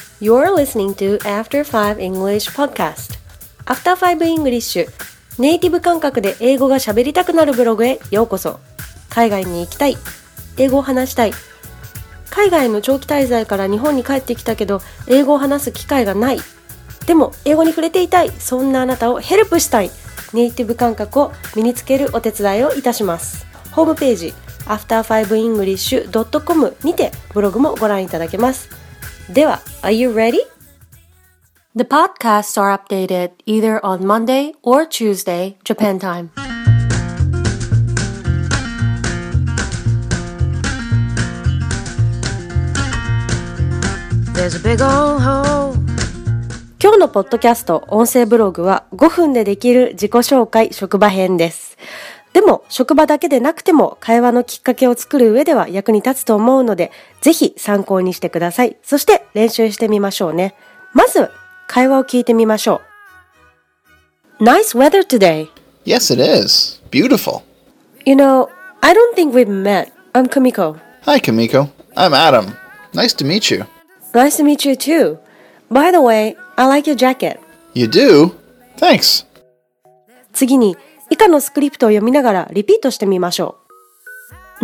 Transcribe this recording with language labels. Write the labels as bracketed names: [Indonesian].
[English] You're listening to After 5 English Podcast. After 5 English. [Japanese] ネイティブ感覚で英語が喋りたくなるブログへようこそ。海外に行きたい。英語を話したい。海外の長期滞在から日本に帰ってきたけど、英語を話す機会がない。でも、英語に触れていたい。そんなあなたをヘルプしたい。ネイティブ感覚を身につけるお手伝いをいたします。ホームページ、after5english.com にてブログもご覧いただけます。 [English] では、Are you ready? The podcasts are updated either on Monday or Tuesday, Japan time. There's a big old hole. [Japanese] 今日のポッドキャスト、音声ブログは5分でできる自己紹介職場編です。でも、職場だけでなくても会話のきっかけを作る上では役に立つと思うので、ぜひ参考にしてください。そして練習してみましょうね。まず、会話を聞いてみましょう。 [English] Nice weather today. Yes, it is. Beautiful. You know, I don't think we've met. I'm Kumiko. Hi, Kumiko. I'm Adam. Nice to meet you. Nice to meet you too. By the way, I like your jacket. You do? Thanks. [Japanese] 次に、以下のスクリプトを読みながらリピートしてみましょう。